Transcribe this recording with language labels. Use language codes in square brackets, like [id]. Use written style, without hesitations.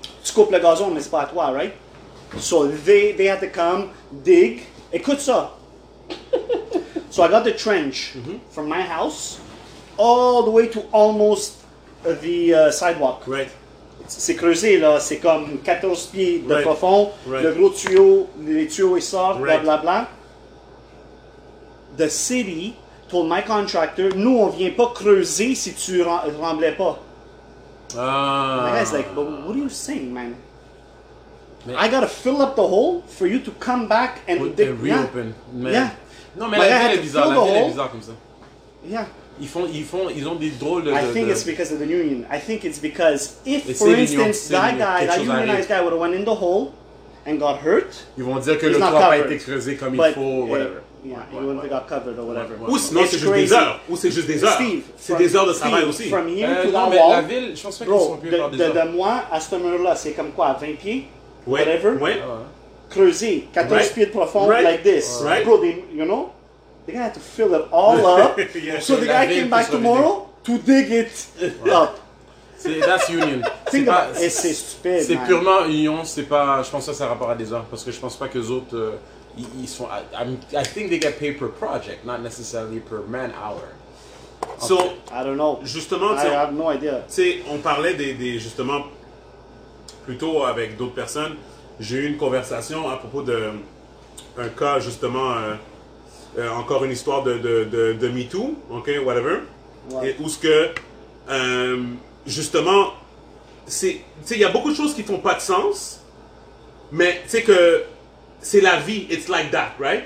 [fr] Tu coupes le gazon, mais c'est pas toi, right? [en] So they had to come, dig. [fr] Écoute ça. [en] So I got the trench from my house all the way to almost the sidewalk. Right. [fr] C'est creusé, là. C'est comme 14 pieds de profond. Right. Le gros tuyau, les tuyaux, ils sortent, blablabla. [en] The city told my contractor, [fr] nous, on vient pas creuser si tu remblais pas. Ah. [en] The guy's like, but what are you saying, man? I gotta fill up the hole for you to come back and reopen. Yeah. Man. Yeah. [fr] Non, mais la ville est bizarre. La ville est bizarre comme ça. [en] Yeah. [fr] Ils ont des drôles de... [en] It's because of the union. I think it's because if, for instance, that unionized guy would have went in the hole and got hurt, [fr] ils vont dire que le toit pas été creusé comme il faut, whatever. [en] Yeah, you wouldn't have got covered or whatever. [fr] Ou sinon, c'est juste des heures. C'est des heures de travail aussi. [en] From here to [fr] non, [en] the wall, [fr] la ville, je pense pas qu'ils sont plus par des heures. De moi à ce mur-là, c'est comme quoi, 20 pieds? Ouais. [en] Whatever. [fr] Ouais. Creusé, 14 pieds de profond, [en] like this. Right. Bro, you know? The guy had to fill it all up. Yeah, so the guy came back tomorrow to dig it up. That's union. [fr] C'est stupide. C'est purement union. C'est pas, je pense que ça a rapport à des heures. Parce que je pense pas que les autres... [en] I think they get paid per project, not necessarily per man hour. So, I don't know. [fr] Justement, [en] I have no idea. [fr] Tu sais, on parlait des justement, plutôt avec d'autres personnes. J'ai eu une conversation à propos de un cas, justement, encore une histoire de Me Too, ok, whatever. [en] What? [fr] Et où ce que, justement, c'est, tu sais, il y a beaucoup de choses qui font pas de sens, mais tu sais que c'est la vie, [en] it's like that, right?